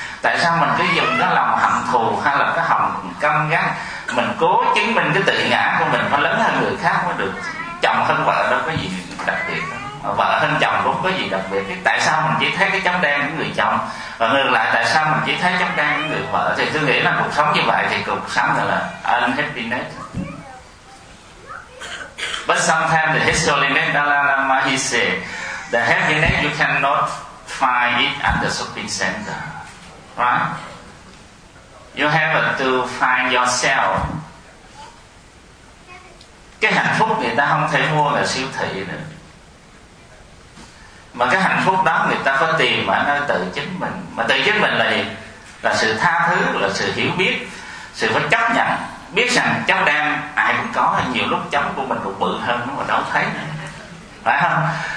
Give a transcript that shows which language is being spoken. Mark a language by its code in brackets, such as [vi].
[vi] Tại sao mình cứ dùng cái lòng hận thù hay là cái hồng căm ghét, mình cố chứng minh cái tự ngã của mình phải lớn hơn người khác mới được. Chồng hơn vợ đâu có gì đặc biệt, vợ hơn chồng cũng có gì đặc biệt. Tại sao mình chỉ thấy cái chấm đen của người chồng, và ngược lại tại sao mình chỉ thấy chấm đen của người vợ? Thì tôi nghĩ là cuộc sống như vậy thì cuộc sống là unhappiness. [en] But sometimes the historian Dalai Lama, he said, the happiness you cannot find it at the shopping center, right? You have to find yourself. [vi] Cái hạnh phúc người ta không thể mua ở siêu thị nữa, mà cái hạnh phúc đó người ta phải tìm ở nơi tự chính mình. Mà tự chính mình là gì? Là sự tha thứ, là sự hiểu biết, sự phải chấp nhận. Biết rằng chấm đen ai cũng có, nhiều lúc chấm của mình còn bự hơn mà đâu thấy nữa, phải không?